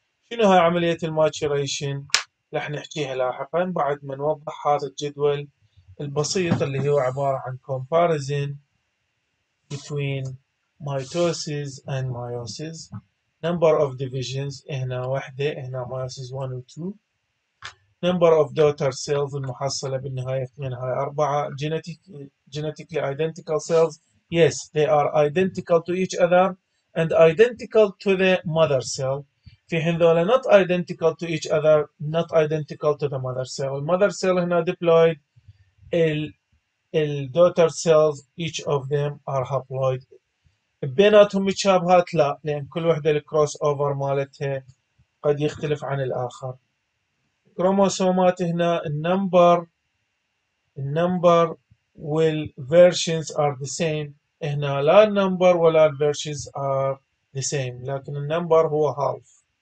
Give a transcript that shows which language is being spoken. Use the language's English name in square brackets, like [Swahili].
[Arabic] شنو هاي عملية الماتشوريشن؟ رح نحكيها لاحقا بعد ما نوضح هذا الجدول البسيط اللي هو عبارة عن [English] comparison between mitosis and meiosis. Number of divisions [Arabic] هنا واحدة، هنا [English] meiosis 1 و 2. Number of daughter cells [Arabic] المحصلة بالنهاية اثنين، هاي أربعة. [English] Genetically identical cells. Yes, they are identical to each other and identical to the mother cell. [Arabic] في حين ذولا [English] not identical to each other, not identical to the mother cell. The mother cell هنا diploid, the daughter cells, each of them are haploid. [Arabic] بيناتهم متشابهات؟ لا، لأن كل وحدة الكروس أوفر مالتها قد يختلف عن الآخر. كروموسومات هنا [English] the number will versions are the same. [Arabic] هنا لا [English] number ولا versions are the same، لكن number هو half.